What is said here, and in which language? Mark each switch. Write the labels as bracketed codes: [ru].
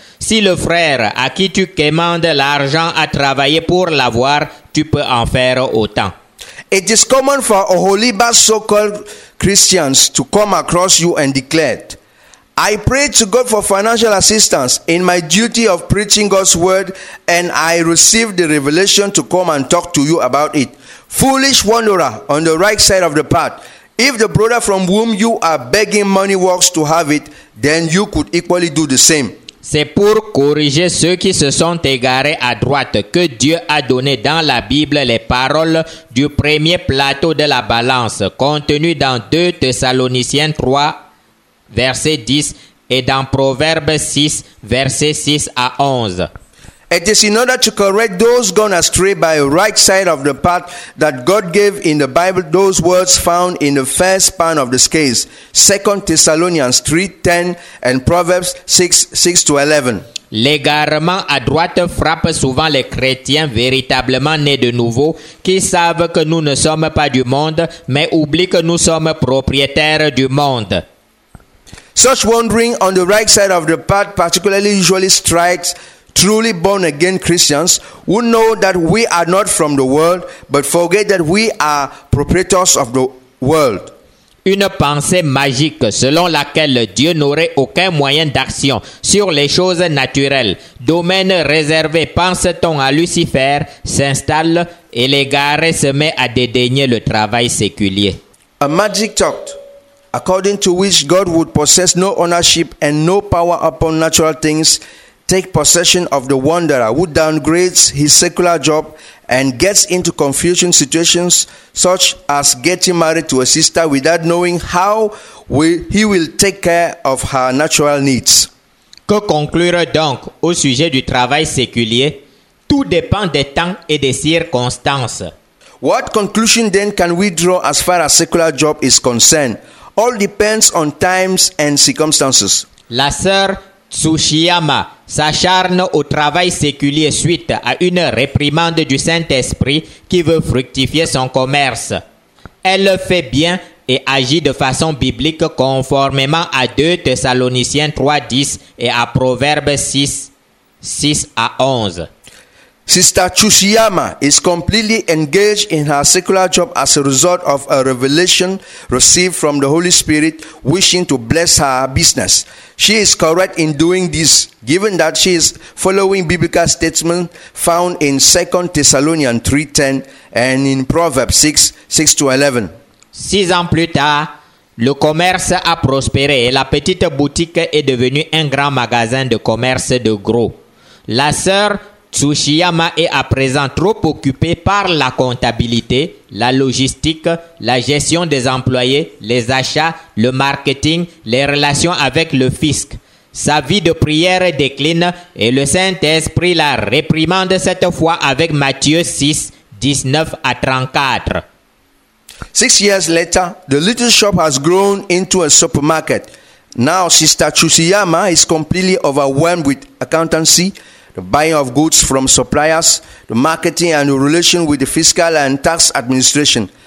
[fr] Si le frère à qui tu commandes l'argent a travaillé pour l'avoir, tu peux en faire autant. [en] It is common for Oholiba so-called Christians to come across you and declare, I pray to God for financial assistance in my duty of preaching God's word and I received the revelation to come and talk to you about it. Foolish wanderer on the right side of the path. If the brother from whom you are begging money works to have it, then you could equally do the same. [fr] C'est pour corriger ceux qui se sont égarés à droite que Dieu a donné dans la Bible les paroles du premier plateau de la balance contenues dans 2 Thessaloniciens 3, verset 10 et dans Proverbes 6, verset 6 à 11. [en] It is in order to correct those gone astray by the right side of the path that God gave in the Bible those words found in the first span of the scales, 2 Thessalonians 3:10 and Proverbs 6:6-11. [fr] L'égarement à droite frappe souvent les chrétiens véritablement nés de nouveau qui savent que nous ne sommes pas du monde mais oublient que nous sommes propriétaires du monde. [en] Such wandering on the right side of the path particularly usually strikes truly born again Christians who know that we are not from the world but forget that we are proprietors of the world. [fr] Une pensée magique selon laquelle Dieu n'aurait aucun moyen d'action sur les choses naturelles, domaine réservé, pense-t-on à Lucifer, s'installe et l'égaré se met à dédaigner le travail séculier. [en] A magic thought, according to which God would possess no ownership and no power upon natural things, take possession of the wanderer who downgrades his secular job and gets into confusing situations such as getting married to a sister without knowing how he will take care of her natural needs. [fr] Que conclure donc au sujet du travail séculier? Tout dépend des temps et des circonstances. [en] What conclusion then can we draw as far as secular job is concerned? All depends on times and circumstances. [fr] La sœur Tsushiyama s'acharne au travail séculier suite à une réprimande du Saint-Esprit qui veut fructifier son commerce. Elle le fait bien et agit de façon biblique conformément à 2 Thessaloniciens 3:10 et à Proverbes 6:6-11. [en] Sister Tsushiyama is completely engaged in her secular job as a result of a revelation received from the Holy Spirit wishing to bless her business. She is correct in doing this, given that she is following biblical statements found in 2 Thessalonians 3:10 and in Proverbs 6:6-11. [fr] 6 ans plus tard, le commerce a prospéré et la petite boutique est devenue un grand magasin de commerce de gros. La sœur Tsushiyama est à présent trop occupée par la comptabilité, la logistique, la gestion des employés, les achats, le marketing, les relations avec le fisc. Sa vie de prière décline et le Saint-Esprit la réprimande cette fois avec Matthieu 6, 19 à 34. [en] 6 years later, the little shop has grown into a supermarket. Now, Sister Chusiyama is completely overwhelmed with accountancy, the buying of goods from suppliers, the marketing and the relation with the fiscal and tax administration.